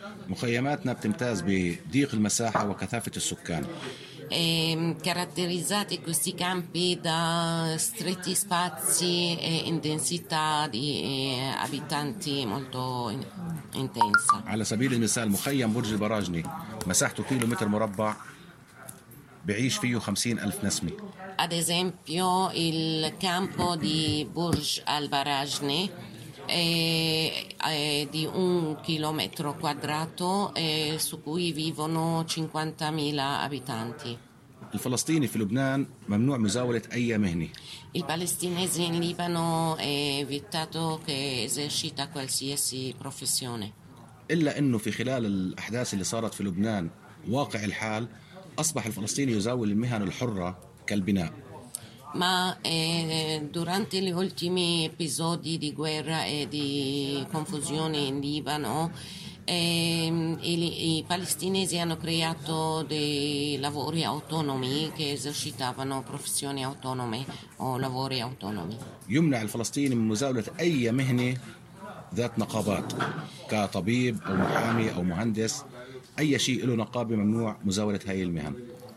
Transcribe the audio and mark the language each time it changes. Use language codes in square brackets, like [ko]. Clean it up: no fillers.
[ar] مخيماتنا بتمتاز بضيق المساحة وكثافة السكان. [it] E caratterizzati questi campi da stretti spazi e intensità di abitanti molto intensa. [ar] على سبيل المثال مخيم برج البراجني مساحته كيلومتر مربع بعيش فيه 50,000 نسمة. [it] Ad esempio il campo di Burj Al Barajne è di un chilometro quadrato su cui vivono 50,000 abitanti. [ar] الفلسطيني في لبنان ممنوع مزاولة أي مهنة. [it] Il palestinese in Libano è vietato che esercita qualsiasi professione. [ar] إلا إنه في خلال الأحداث اللي صارت في لبنان واقع الحال. أصبح الفلسطيني يزاول المهن الحرة كالبناء. [it] ما durante gli ultimi episodi di guerra e di confusione in Libano, i palestinesi hanno creato dei lavori autonomi che esercitavano professioni autonome o lavori autonomi. [ar] يمنع الفلسطيني من مزاولة أي مهنة ذات نقابات كطبيب أو محامي أو مهندس. أي شيء له نقابة ممنوع مزاولة هاي المهن.